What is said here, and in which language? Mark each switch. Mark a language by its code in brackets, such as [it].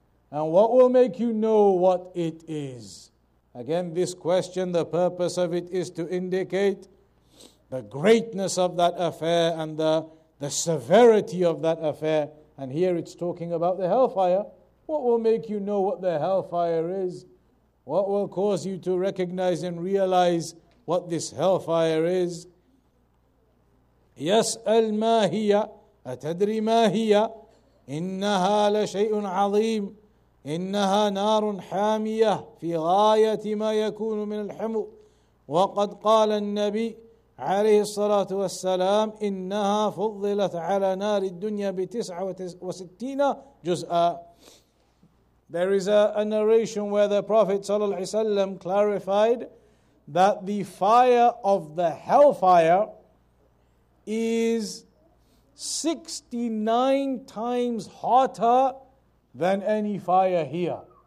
[en] And what will make you know what it is? Again, this question, the purpose of it is to indicate the greatness of that affair and the severity of that affair. And here it's talking about the hellfire. What will make you know what the hellfire is? What will cause you to recognize and realize what this hellfire is? [ar] يَسْأَلْ مَا هِيَ أَتَدْرِي مَا هِيَ إِنَّهَا لَشَيْءٌ عَظِيمٌ إنها نار حامية في غاية ما يكون من الحمو وقد قال النبي عليه الصلاة والسلام إنها فضلت على نار الدنيا بتسعة وستين جزءا. [en] There is a narration where the Prophet صلى الله عليه وسلم clarified that the fire of the hellfire is 69 times hotter than any fire here.